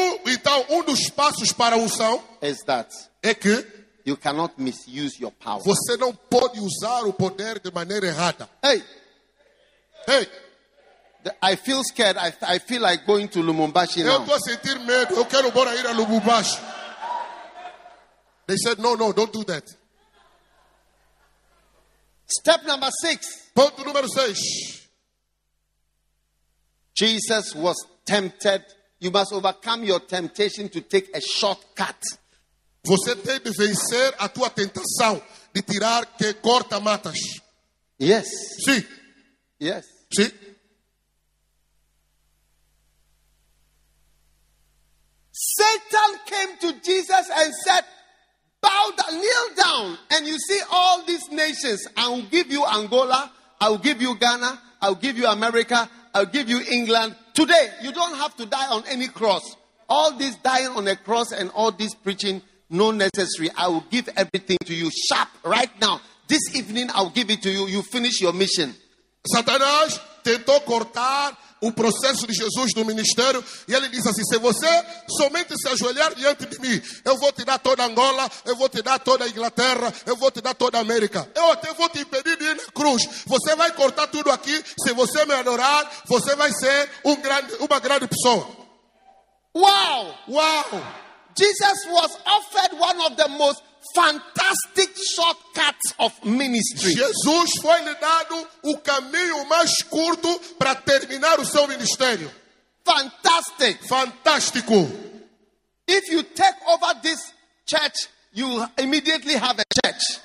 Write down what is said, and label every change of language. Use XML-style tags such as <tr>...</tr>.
<pt>então um dos passos para a unção,</pt> <en>is that</en> <pt>é que</pt> <en>you cannot misuse your power.</en> <pt>Você não pode usar o poder de maneira errada. Hey. Hey.</pt> <en>I feel scared. I feel like going to Lubumbashi now.</en> <pt>Eu tô a sentir medo. Eu quero bora ir a Lubumbashi.</pt> <en>They said, no, no, don't do that. Step number six.</en> <pt>Ponto número seis.</pt> <en>Jesus was tempted. You must overcome your temptation to take a shortcut.</en> <pt>Você tem de vencer a tua tentação de tirar que corta matas.</pt> <en>Yes.</en> <pt>Sim.</pt> <en>Yes.</en> <pt>Sim.</pt> <en>Satan came to Jesus and said, bow down, kneel down, and you see all these nations. I will give you Angola, I will give you Ghana, I will give you America, I will give you England. Today, you don't have to die on any cross. All this dying on a cross and all this preaching, no necessary. I will give everything to you, sharp, right now. This evening, I will give it to you. You finish your mission.</en> <pt>Satanás tentou cortar o processo de Jesus no ministério, e ele disse assim: se você somente se ajoelhar diante de mim, eu vou te dar toda Angola, eu vou te dar toda a Inglaterra, eu vou te dar toda a América. Eu até vou te impedir de ir na cruz. Você vai cortar tudo aqui. Se você me adorar, você vai ser uma grande pessoa. Wow! Wow!</pt> <en>Jesus was offered one of the most fantastic shortcuts of ministry.</en> <pt>Jesus foi lhe dado o caminho mais curto para terminar o seu ministério.</pt> <en>Fantastic.</en> <pt>Fantástico.</pt> <en>If you take over this church, you immediately have a church.</en>